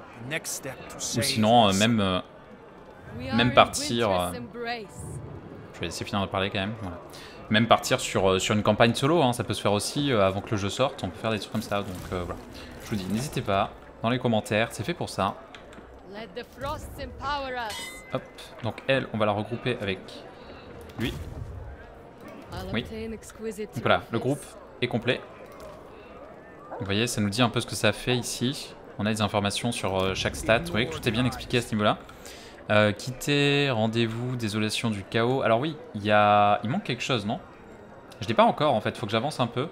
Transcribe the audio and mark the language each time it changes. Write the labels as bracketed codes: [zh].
[fr] Ou sinon même partir je vais essayer de finir de parler quand même voilà. Même partir sur une campagne solo hein, ça peut se faire aussi avant que le jeu sorte. On peut faire des trucs comme ça donc voilà. Je vous dis n'hésitez pas dans les commentaires. C'est fait pour ça. [en] Let the frost empower us. [fr] Hop, donc elle, on va la regrouper avec lui. Oui. Donc voilà, le groupe est complet. Vous voyez, ça nous dit un peu ce que ça fait ici. On a des informations sur chaque stat. Vous voyez que tout est bien expliqué à ce niveau-là. Quitter, rendez-vous, désolation du chaos. Alors oui, il manque quelque chose, non? Je ne l'ai pas encore, en fait. Il faut que j'avance un peu.